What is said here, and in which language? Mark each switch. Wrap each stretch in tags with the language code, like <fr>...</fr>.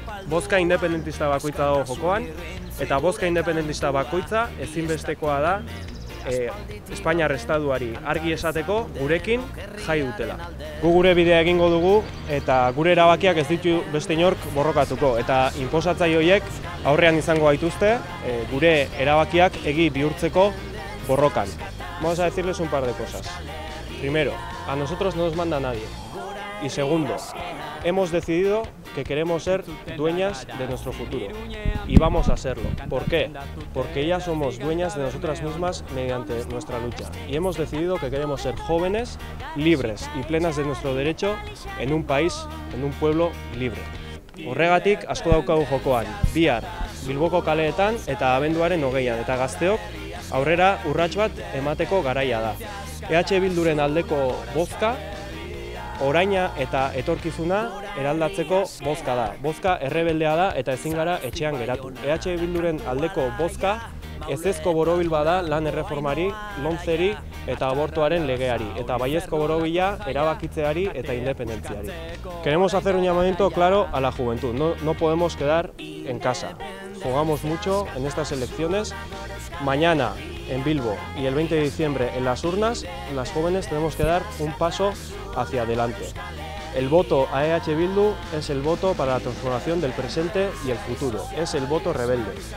<eu>Bozka independentista bakoitza dago jokoan, eta bozka independentista bakoitza ezinbestekoa da Espainiar Estatuari argi esateko gurekin jai dutela. Gu gure bidea egingo dugu eta gure erabakiak ez ditu beste inork borrokatuko, eta inposatzaile horiek aurrean izango gaituzte gure erabakiak egi bihurtzeko borrokan.</eu> <es>Vamos a decirles un par de cosas. Primero, a nosotros no nos manda nadie. Y segundo, hemos decidido que queremos ser dueñas de nuestro futuro. Y vamos a serlo. ¿Por qué? Porque ya somos dueñas de nosotras mismas mediante nuestra lucha. Y hemos decidido que queremos ser jóvenes, libres y plenas de nuestro derecho en un país, en un pueblo libre.</es> <eu>Horregatik, asko daukagu jokoan, bihar, Bilboko kaleetan eta abenduaren 20an, eta gazteok, aurrera urrats bat emateko garaia da. EH Bilduren aldeko bozka, oraina eta etorkizuna eraldatzeko bozka da. Bozka errebeldea da eta ezin gara etxean geratu. EH Bilduren aldeko bozka ezezko borobil bada lan erreformari, lomzeri eta abortuaren legeari, eta baiezko borobila erabakitzeari eta independentziari.</eu> <es>Queremos hacer un llamamiento claro a la juventud. No podemos quedar en casa. Jugamos mucho en estas elecciones. Mañana en Bilbo y el 20 de diciembre en las urnas, las jóvenes tenemos que dar un paso hacia adelante. El voto a EH Bildu es el voto para la transformación del presente y el futuro. Es el voto rebelde.</es>